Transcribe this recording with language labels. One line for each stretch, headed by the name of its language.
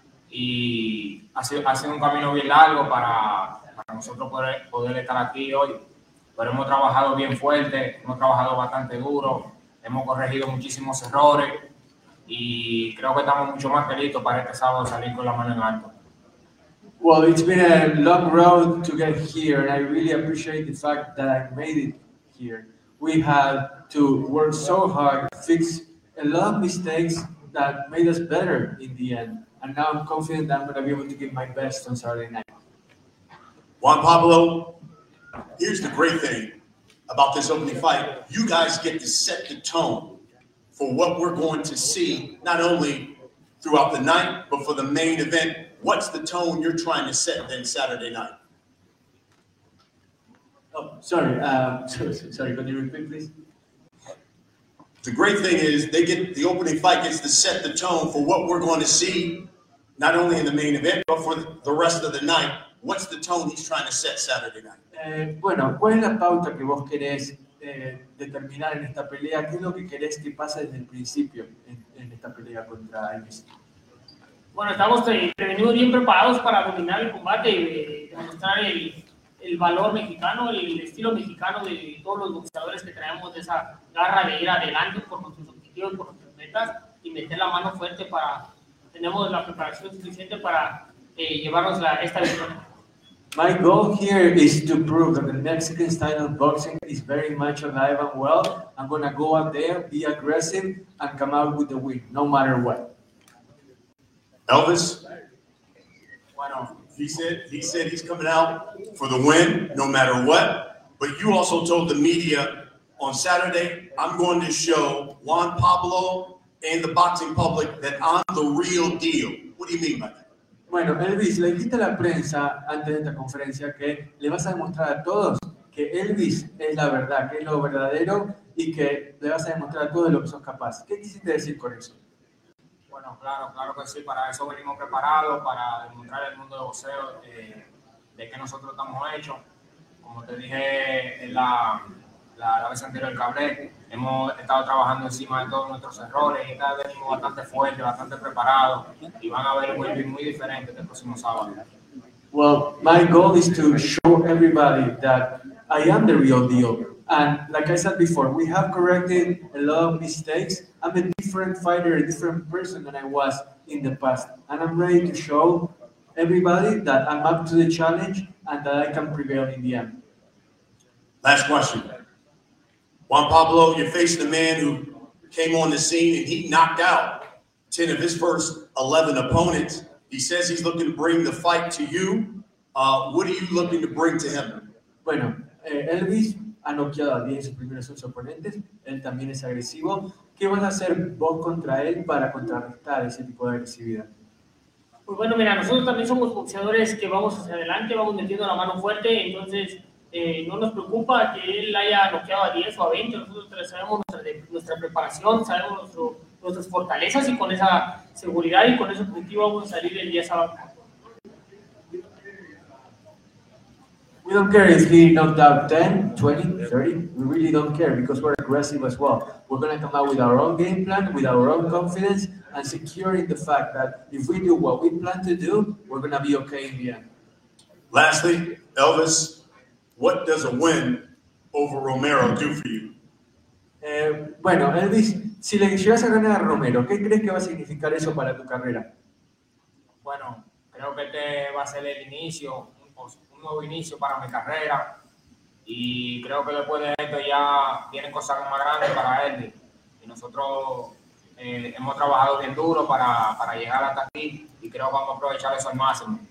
Spanish: Y ha sido un camino bien largo para nosotros poder estar aquí hoy. Pero hemos trabajado bien fuerte, hemos trabajado bastante duro, hemos corregido muchísimos errores y creo que estamos mucho más listos para este sábado salir con la mano en alto.
English: Well, it's been a long road to get here and I really appreciate the fact that I made it here. We had to work so hard, fix a lot of mistakes that made us better in the end. And now I'm confident that I'm going to be able to give my best on Saturday night. Juan Pablo, here's the great thing about this opening fight. You guys get to set the tone for what we're going to see, not only throughout the night, but for the main event. What's the tone you're trying to set then Saturday night? Sorry, can you repeat, please? The great thing is the opening fight gets to set the tone for what we're going to see, not only in the main event, but for the rest of the night. What's the tone he's trying to set Saturday night?
Spanish: Bueno, ¿cuál es la pauta que vos querés determinar en esta pelea? ¿Qué es lo que querés que pase desde el principio en esta pelea contra Alvarez? Bueno, estamos prevenidos bien preparados para dominar el combate y demostrar el valor mexicano, el estilo mexicano de todos los boxeadores que traemos de esa garra de ir adelante por nuestros objetivos, por nuestras metas y meter la mano fuerte para, tenemos la preparación suficiente para llevarnos esta victoria.
English: My goal here is to prove that the Mexican style of boxing is very much alive and well. I'm going to go out there, be aggressive, and come out with the win, no matter what. Elvis?
Spanish: Bueno,
English: he said he's coming out for the win, no matter what. But you also told the media on Saturday, I'm going to show Juan Pablo and the boxing public that I'm the real deal. What do you mean by that?
Spanish: Bueno, Elvis, le dijiste a la prensa antes de esta conferencia que le vas a demostrar a todos que Elvis es la verdad, que es lo verdadero y que le vas a demostrar a todos de lo que sos capaz. ¿Qué quisiste decir con eso? Bueno, claro, claro que sí. Para eso venimos preparados, para demostrar el mundo de boxeo de que nosotros estamos hechos. Como te dije en la vez anterior, el cable, hemos estado trabajando encima de todos nuestros errores y cada vez venimos bastante fuerte, bastante preparado y van a ver un movie muy diferente el próximo sábado.
English: Well, my goal is to show everybody that I am the real deal. And like I said before, we have corrected a lot of mistakes. I'm a different fighter, a different person than I was in the past. And I'm ready to show everybody that I'm up to the challenge and that I can prevail in the end. Last question. Juan Pablo, you're facing a man who came on the scene and he knocked out 10 of his first 11 opponents. He says he's looking to bring the fight to you. What are you looking to bring to him?
Spanish: Bueno, Elvis ha noqueado a 10 de sus primeros 8 oponentes. Él también es agresivo. ¿Qué vas a hacer vos contra él para contrarrestar ese tipo de agresividad? Pues bueno, mira, nosotros también somos boxeadores que vamos hacia adelante, vamos metiendo la mano fuerte, entonces no nos preocupa que él haya noqueado a 10 o a 20. Nosotros sabemos nuestra preparación, sabemos nuestras fortalezas y con esa seguridad y con ese objetivo vamos a salir el día sábado.
English: We don't care if he knocked out 10, 20, 30. We really don't care because we're aggressive as well. We're going to come out with our own game plan, with our own confidence, and securing the fact that if we do what we plan to do, we're going to be okay in the end. Lastly, Elvis, what does a win over Romero do for you?
Spanish: Bueno, Elvis, si le llegas a ganar a Romero, ¿qué crees que va a significar eso para tu carrera? Bueno, creo que este va a ser el inicio. Un nuevo inicio para mi carrera y creo que después de esto ya vienen cosas más grandes para él y nosotros hemos trabajado bien duro para llegar hasta aquí y creo que vamos a aprovechar eso al máximo.